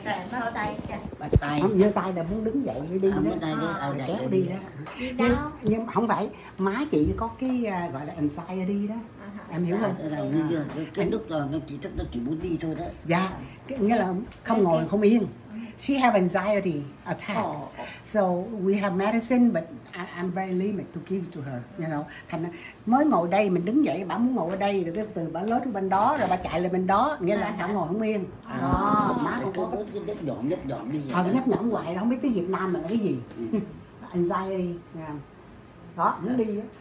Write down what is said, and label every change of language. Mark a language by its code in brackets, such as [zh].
[vi] không giơ tay là muốn đứng dậy đi đi kéo đi đó nhưng không phải má chị có cái gọi là anxiety đó. Em hiểu không? Cái lúc đó chị muốn đi thôi đó. Dạ, nghĩa là không ngồi không yên. [en] She have anxiety attack. Oh. So we have medicine, but I'm very limited to give to her. You know, [vi] thành mới ngồi đây mình đứng dậy, bà muốn ngồi ở đây rồi cái từ bà lớn bên đó rồi bà chạy lên bên đó, nghĩa là bà ngồi không yên. Đó, má cũng có nhấp nhổm đi. Ờ, nhấp nhổm hoài, không biết tiếng Việt Nam là cái gì. Anxiety. Đó, muốn đi